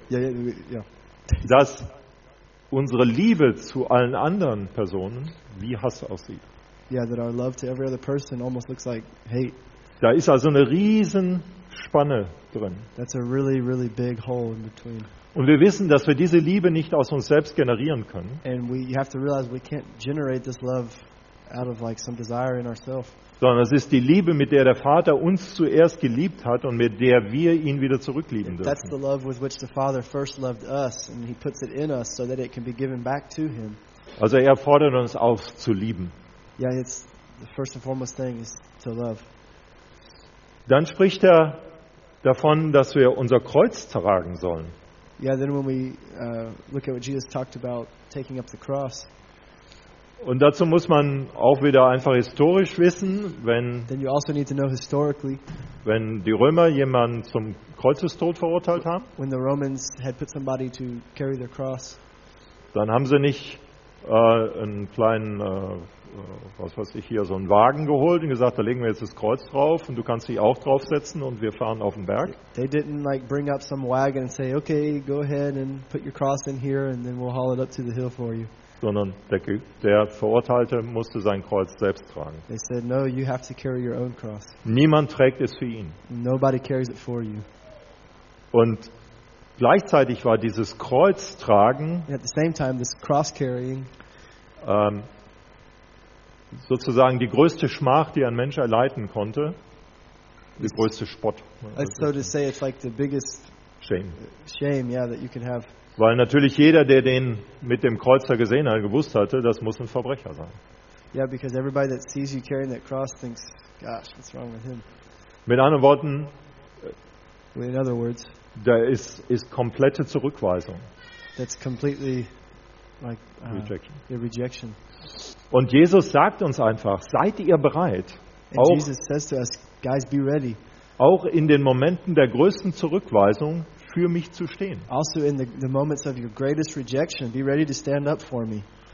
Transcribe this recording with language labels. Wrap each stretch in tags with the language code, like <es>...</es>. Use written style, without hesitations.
<en>Yeah.</en> <de>Dass unsere Liebe zu allen anderen Personen wie Hass aussieht.</de> <en>Yeah, that our love to every other person almost looks like hate.</en> <de>Da ist also eine riesen Spanne drin.</de> <en>That's a really, really big hole in between.</en> <de>Und wir wissen, dass wir diese Liebe nicht aus uns selbst generieren können.</de> <en>And you have to realize we can't generate this love out of like some desire in ourselves.</en> <de>Sondern es ist die Liebe, mit der der Vater uns zuerst geliebt hat und mit der wir ihn wieder zurücklieben dürfen.</de> <en>That's the love with which the Father first loved us, and He puts it in us so that it can be given back to Him.</en> <de>Also er fordert uns auf zu lieben.</de> <en>Yeah, it's the first and foremost thing is to love.</en> <de>Dann spricht er davon, dass wir unser Kreuz tragen sollen.</de> <en>Yeah, then when we look at what Jesus talked about taking up the cross.</en> <de>Und dazu muss man auch wieder einfach historisch wissen, wenn die Römer jemanden zum Kreuzestod verurteilt haben,</de> <en>when the Romans had put somebody to carry their cross,</en> <de>dann haben sie nicht einen kleinen was weiß ich hier, so einen Wagen geholt und gesagt, da legen wir jetzt das Kreuz drauf und du kannst dich auch draufsetzen und wir fahren auf den Berg.</de> <en>They didn't like bring up some wagon and say, okay, go ahead and put your cross in here and then we'll haul it up to the hill for you.</en> <de>Sondern der Verurteilte musste sein Kreuz selbst tragen.</de> <en>They said, no, you have to carry your own cross.</en> <de>Niemand trägt es für ihn.</de> <en>Nobody carries it for you.</en> <de>Und gleichzeitig war dieses Kreuz tragen</de> <en>at the same time, this cross carrying,</en> <de>sozusagen die größte Schmach, die ein Mensch erleiden konnte. Die größte Spott.</de> <en>So to say, it's like the biggest shame, yeah, that you can have.</en> <de>Weil natürlich jeder, der den mit dem Kreuzer gesehen hat, gewusst hatte, das muss ein Verbrecher sein.</de> <en>Yeah, because everybody that sees you carrying that cross thinks, gosh, what's wrong with him?</en> <de>Mit anderen Worten,</de> <en>in other words,</en> <de>da ist komplette Zurückweisung.</de> <en>That's completely like rejection. The rejection.</en> <de>Und Jesus sagt uns einfach, seid ihr bereit?</de> <en>Auch, Jesus says to us, guys, be ready.</en> <de>Auch in den Momenten der größten Zurückweisung für mich zu stehen.</de> <en>Also in the moments of your greatest rejection, be ready to stand up for me.</en>